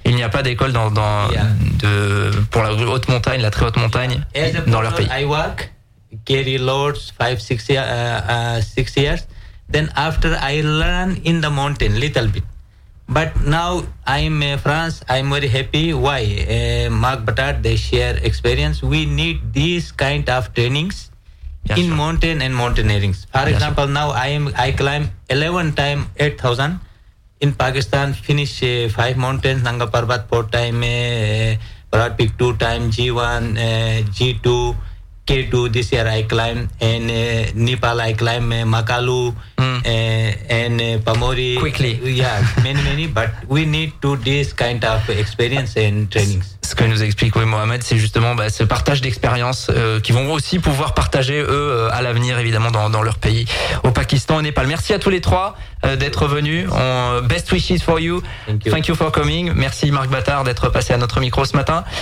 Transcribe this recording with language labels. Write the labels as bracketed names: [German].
[French] Il n'y a pas d'école pour la haute montagne, la très haute montagne, dans leur pays. [English] I work, carry loads 5-6 years. Then after I learn in the mountain little bit. But now I'm in France, I'm very happy. Why? Marc Batard, they share experience. We need these kind of trainings. Yes, in mountain and mountaineering. For example, now I climb 11 times 8,000 in Pakistan, finish 5 mountains, Nanga Parbat 4 times, Broad Peak 2 times, G1, G2, K2, this year I climb, and Nepal I climb, Makalu, and Pamori. Quickly. Yeah, many, but we need to this kind of experience and trainings. [French] Ce que nous explique Mohamed, c'est justement ce partage d'expériences qu'ils vont aussi pouvoir partager, eux, à l'avenir, évidemment, dans leur pays, au Pakistan, au Népal. Merci à tous les trois d'être venus. [English] Best wishes for you. Thank you for coming. [French] Merci, Marc Batard, d'être passé à notre micro ce matin.